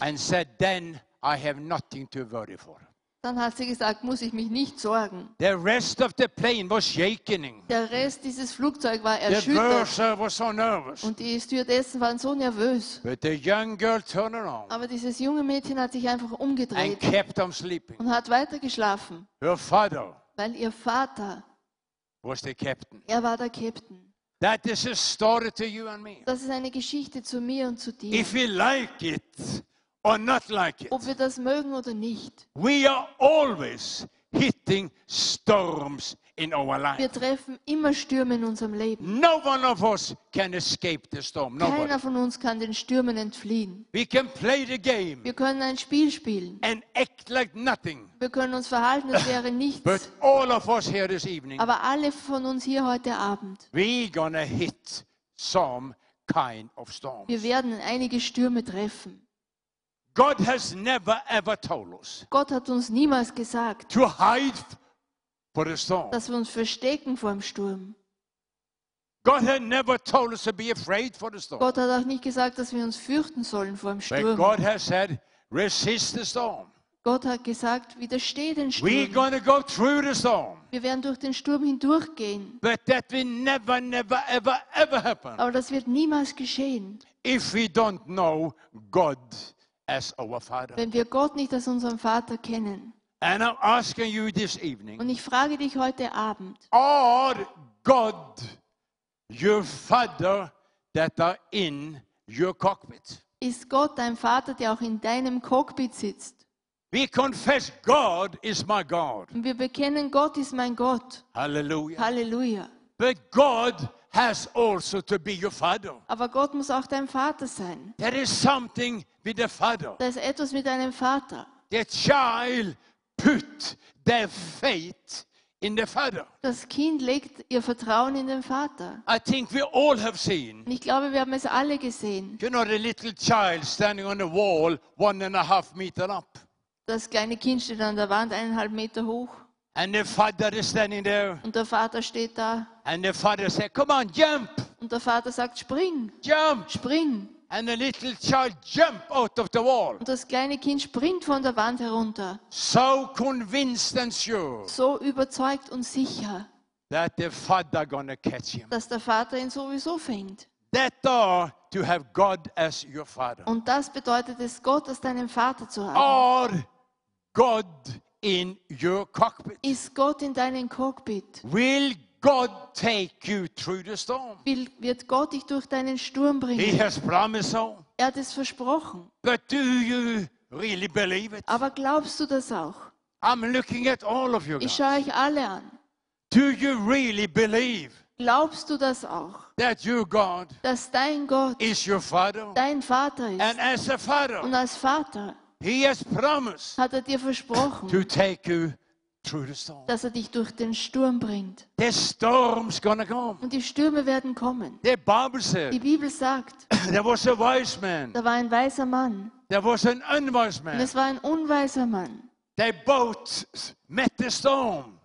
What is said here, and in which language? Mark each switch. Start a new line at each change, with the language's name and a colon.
English: And said, then I have nothing to worry for.
German: Dann hat sie gesagt, muss ich mich nicht sorgen.
English: The rest of the plane was shaking.
German: Der Rest dieses Flugzeugs war erschüttert.
English: The purser was so nervous.
German: Und die Stewardessen waren so nervös.
English: But the young girl turned around.
German: Aber dieses junge Mädchen hat sich einfach umgedreht.
English: And kept on sleeping.
German: Und hat weitergeschlafen.
English: Her father.
German: Weil ihr Vater.
English: Was the captain.
German: Er war der Captain.
English: That is a story to you and me.
German: Das ist eine Geschichte zu mir und zu dir.
English: If we like it or not like it.
German: Ob wir das mögen oder nicht.
English: We are always hitting storms in our life.
German: Wir treffen immer Stürme in unserem Leben.
English: No one of us can escape the storm. Nobody.
German: Keiner von uns kann den Stürmen entfliehen.
English: We can play the game.
German: Wir können ein Spiel spielen.
English: And act like nothing.
German: Wir können uns verhalten, als wäre nichts.
English: But all of us here this evening.
German: Aber alle von uns hier heute Abend.
English: We're gonna hit some kind of storms.
German: Wir werden einige Stürme treffen.
English: God has never ever told us.
German: Gott hat uns niemals gesagt.
English: To hide for the storm.
German: Dass wir uns verstecken vor dem Sturm.
English: God had never told us to be afraid for the storm.
German: Gott hat auch nicht gesagt, dass wir uns fürchten sollen vor dem Sturm.
English: But God has said, resist the storm.
German: Gott hat gesagt, widersteh den Sturm.
English: We're going to go through the storm.
German: Wir werden durch den Sturm hindurchgehen.
English: But that will never, never, ever, ever happen.
German: Aber das wird niemals geschehen.
English: If we don't know God as our Father.
German: Wenn wir Gott nicht als unseren Vater kennen.
English: And I'm asking you this evening.
German: Und ich frage dich heute Abend.
English: Are God your Father that are in your cockpit?
German: Ist Gott dein Vater, der auch in deinem Cockpit sitzt?
English: We confess God is my God.
German: Und wir bekennen, Gott ist mein Gott.
English: Hallelujah.
German: Hallelujah.
English: But God has also to be your Father.
German: Aber Gott muss auch dein Vater sein.
English: There is something with the Father.
German: Da ist etwas mit deinem Vater.
English: The child put their faith in the Father.
German: Das Kind legt ihr Vertrauen in den Vater.
English: I think we all have seen.
German: Ich glaube, wir haben es alle gesehen.
English: You know the little child standing on a wall 1.5 meters up.
German: Das kleine Kind steht an der Wand 1.5 Meter hoch.
English: And the father is standing there.
German: Und der Vater steht da.
English: And the father said, "Come on, jump!"
German: Und der Vater sagt, spring!
English: Jump!
German: Spring!
English: And the little child jumped out of the wall.
German: Und das kleine Kind springt von der Wand herunter.
English: So convinced and sure.
German: So überzeugt und sicher.
English: That the father gonna catch him.
German: Dass der Vater ihn sowieso fängt.
English: That are to have God as your father.
German: Und das bedeutet es, Gott als deinen Vater zu haben.
English: Or God in your cockpit.
German: Ist Gott in deinem Cockpit?
English: Will God take you through the storm?
German: Wird Gott dich durch deinen Sturm bringen?
English: He has promised so.
German: Er hat es versprochen.
English: But do you really believe it?
German: Aber glaubst du das auch?
English: I'm looking at all of you guys.
German: Ich schaue euch alle an.
English: Do you really believe?
German: Glaubst du das auch?
English: That your God,
German: dass dein Gott
English: is your father,
German: dein Vater ist.
English: And as a father,
German: und als Vater
English: he has promised,
German: hat er dir versprochen,
English: to take you through the storm.
German: Dass er dich durch den Sturm bringt.
English: The storm's gonna come.
German: Und die Stürme werden kommen.
English: The Bible said,
German: die Bibel sagt,
English: there was a wise man,
German: da war ein weiser Mann.
English: There was an unwise man.
German: Und es war ein unweiser Mann.
English: They both met the storm.